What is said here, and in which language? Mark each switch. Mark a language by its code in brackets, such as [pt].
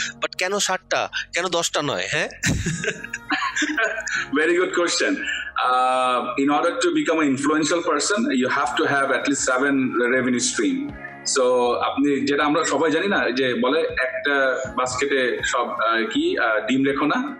[bn] But কেন 7টা, কেন 10টা নয়? হ্যাঁ, [en] very good question. In order to become an influential person, you have to have at least 7 revenue stream. [bn] So আপনি যেটা আমরা সবাই জানি না, যে বলে একটা বাস্কেটে সব কি ডিম রেখো না,